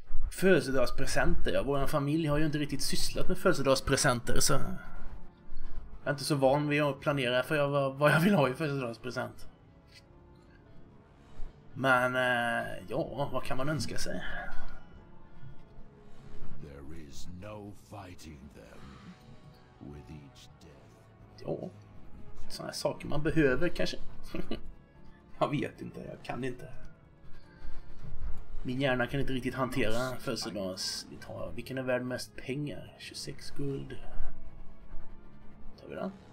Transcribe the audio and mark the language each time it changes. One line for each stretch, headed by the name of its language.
Swedish: Födelsedagspresenter. Ja, vår familj har ju inte riktigt sysslat med födelsedagspresenter, så jag är inte så van vid att planera för vad jag vill ha i födelsedagspresent. Men ja, vad kan man önska sig?
English: There is no fighting them with each death.
Swedish: Ja, såna här saker man behöver kanske. Jag vet inte, jag kan inte. Min hjärna kan inte riktigt hantera födelsedags. Vi tar, vilken är värd mest pengar? 26 guld. Tar vi den?